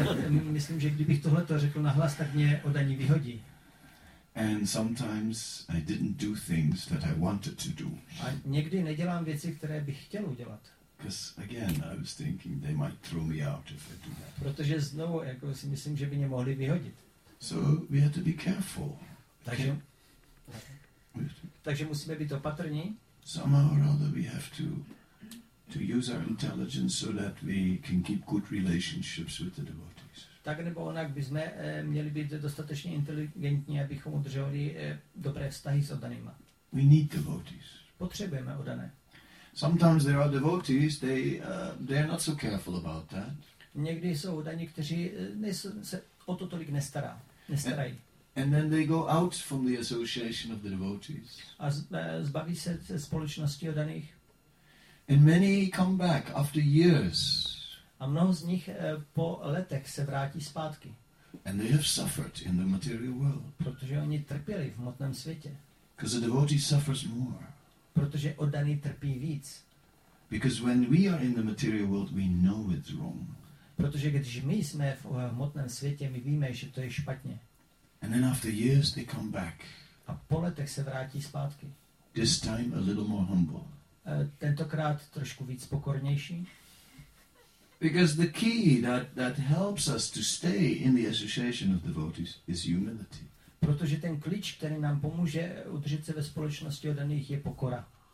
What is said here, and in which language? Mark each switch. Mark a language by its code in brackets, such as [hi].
[cs] Myslím, že kdybych tohle to řekl nahlas, tak mě odaní vyhodí. [en] And sometimes I didn't do things that I wanted to do. [cs] A někdy nedělám věci, které bych chtěl udělat. [en] Because again, I was thinking they might throw me out if I do that. [cs] Protože znovu, jako si myslím, že by mě mohli vyhodit. [en] So we have to be careful. [cs] Takže musíme být opatrní. [en] Somehow or other we have to use our intelligence so that we can keep good relationships with the devotees. [cs] Tak nebo onak bychom měli být dostatečně inteligentní, abychom udrželi dobré vztahy s oddanýma. [en] We need devotees. [cs] Potřebujeme oddané. [en] Sometimes there are devotees, they are not so careful about that. [cs] Někdy jsou oddaní, kteří se o to tolik nestarají. [en] And then they go out from the association of the devotees. [cs] A zbaví se společnosti oddaných. [en] And many come back after years. [cs] A mnoho z nich po letech se vrátí zpátky. [en] And they have suffered in the material world. [cs] Protože oni trpěli v hmotném světě. [en] Because a devotee suffers more. [cs] Protože oddaný trpí víc. [en] Because when we are in the material world, we know it's wrong. [cs] Protože když my jsme v hmotném světě, my víme, že to je špatně. [en] And then after years they come back. [cs] A po letech se vrátí zpátky. [en] This time a little more humble. [cs] Tentokrát trošku víc pokornější. [en] Because the key that helps us to stay in the association of devotees is humility. [cs] Protože ten klíč, který nám pomůže udržet se ve společnosti oddaných, je pokora.